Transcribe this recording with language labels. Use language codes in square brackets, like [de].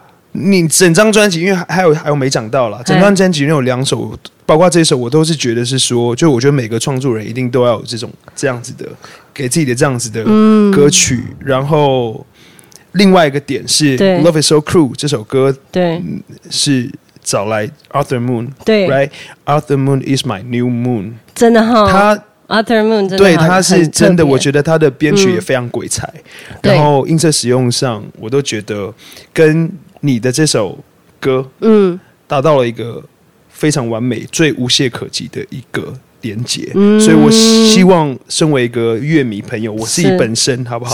[zh] 你整张专辑，因为还有没讲到啦，整张专辑有两首，包括这首，我都是觉得是说，就我觉得每个创作人一定都要有这样子的给自己的这样子的歌曲然后另外一个点是 Love is so cruel 这首歌，对，是找来 Arthur Moon，对， [en] right， Arthur Moon is my new moon， [zh] 真的哈，他 Utter Moon 真的对，他是真的，我觉得他的编曲也非常鬼才，嗯、然后音色使用上，我都觉得跟你的这首歌，嗯，达到了一个非常完美、最无懈可击的一个连结、嗯。所以我希望身为一个乐迷朋友，我自己本身好不好？